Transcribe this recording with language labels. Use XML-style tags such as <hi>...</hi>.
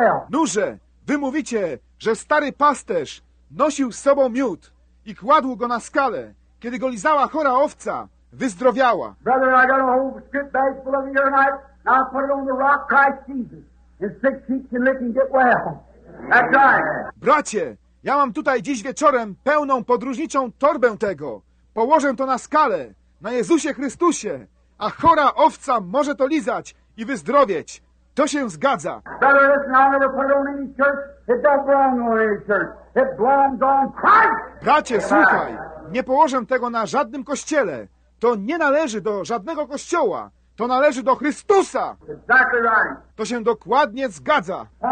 <pl>Nuże, wy mówicie, że stary pasterz nosił z sobą miód i kładł go na skalę, kiedy go lizała chora owca, wyzdrowiała.</pl> <en>Brother, I got a whole script bag full of urinite, and I put it on the rock Christ Jesus. And sick sheep can lick and get well. That's right.</en> <pl>Bracie, ja mam tutaj dziś wieczorem pełną podróżniczą torbę tego. Położę to na skalę, na Jezusie Chrystusie, a chora owca może to lizać i wyzdrowieć. To się zgadza.</pl> <en>Brother, listen, I'll never put it on any church. It don't belong on any church. It belongs on Christ.</en> <pl>Bracie, słuchaj. Nie położę tego na żadnym kościele. To nie należy do żadnego kościoła. To należy do Chrystusa.</pl> <en>Exactly right.</en> <pl>To się dokładnie zgadza.</pl>